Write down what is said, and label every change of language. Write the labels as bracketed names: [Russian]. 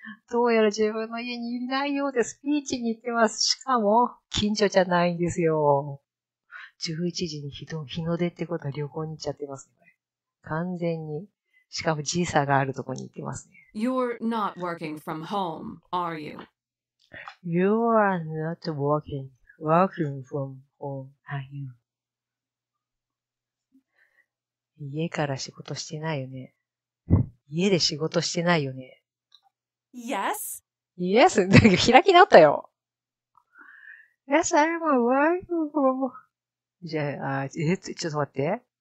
[Japanese] どうやら自分の家にいないようです。ビーチに行ってます。しかも、近所じゃないんですよ。11時に日の出ってことは旅行に行っちゃってますね。完全に。しかも時差があるとこに行ってますね。 [English] You're not working from home, are you? You are not working from home, are you? [Japanese] 家から仕事してないよね。家で仕事してないよね。 [English] Yes? [Japanese] Yes? 開き直ったよ。 [English] Yes, I'm working from... [Japanese] じゃあ、ちょっと待って。